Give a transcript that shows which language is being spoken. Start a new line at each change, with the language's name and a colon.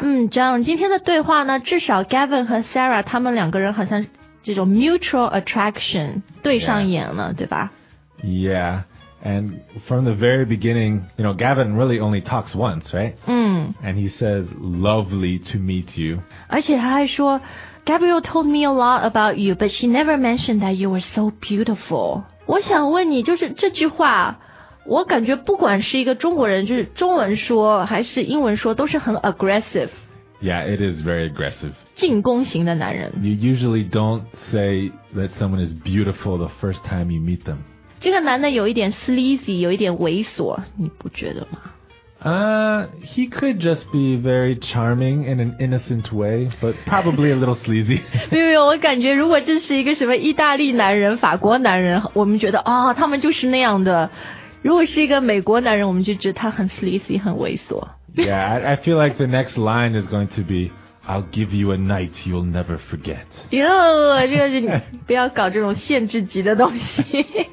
Chinese: John, 今天的对话呢，至少 Gavin 和 Sarah 他们两个人好像这种
English: mutual attraction
Chinese: 对上眼了，
English: yeah.
Chinese: 对吧？
English: Yeah, and from the very beginning, you know, Gavin really only talks once, right? And he says, lovely to meet you.
Chinese: 而且他还说
English: Gabriel told me a lot about you, but she never mentioned that you were so beautiful.
Chinese: 我想问你，就是这句话我感觉不管是一个中国人就是中文说还是英文说都是很 aggressive.
English: Yeah, it is very aggressive.
Chinese: 进攻型的男人。
English: You usually don't say that someone is beautiful the first time you meet them.
Chinese: 这个男的有一点 sleazy, 有一点猥琐，你不觉得吗？
English: He could just be very charming in an innocent way, but probably a little sleazy.
Chinese: 没有，我感觉如果这是一个什么意大利男人、法国男人，我们觉得哦，他们就是那样的。如果是一个美国男人，我们就觉得他很 sleazy, 很猥琐。
English: Yeah, I feel like the next line is going to be, I'll give you a night you'll never forget.
Chinese: 这个不要搞这种限制级的东西。